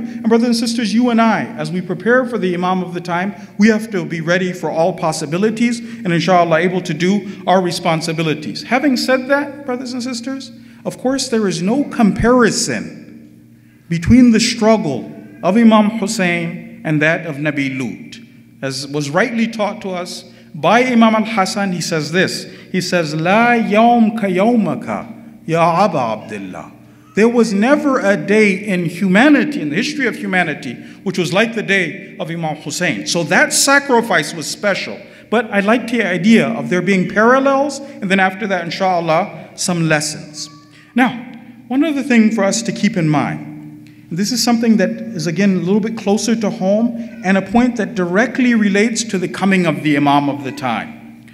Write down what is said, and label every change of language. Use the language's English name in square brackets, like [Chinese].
[English] And brothers and sisters, you and I, as we prepare for the Imam of the time, we have to be ready for all possibilities and inshallah able to do our responsibilities. Having said that, brothers and sisters, of course there is no comparison between the struggle of Imam Hussein and that of Nabi Lut. As was rightly taught to us by Imam al-Hasan, he says this. He says, [Arabic] لا يوم كيومك يا أبا عبد الله. [English] There was never a day in humanity, in the history of humanity, which was like the day of Imam Hussein. So that sacrifice was special. But I like the idea of there being parallels, and then after that, inshallah, some lessons. Now, one other thing for us to keep in mind, this is something that is, again, a little bit closer to home, and a point that directly relates to the coming of the Imam of the time.